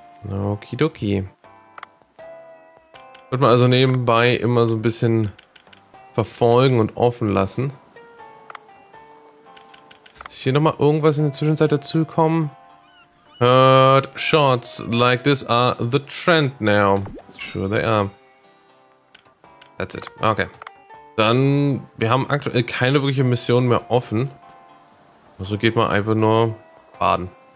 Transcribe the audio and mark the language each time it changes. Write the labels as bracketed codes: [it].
[de] Okidoki. Wird man also nebenbei immer so ein bisschen verfolgen und offen lassen. Ist hier nochmal irgendwas in der Zwischenzeit dazugekommen? [en] Heard shots like this are the trend now. Sure they are. That's it. Okay. [de] Dann, wir haben aktuell keine wirkliche Mission mehr offen. Also geht man einfach nur baden.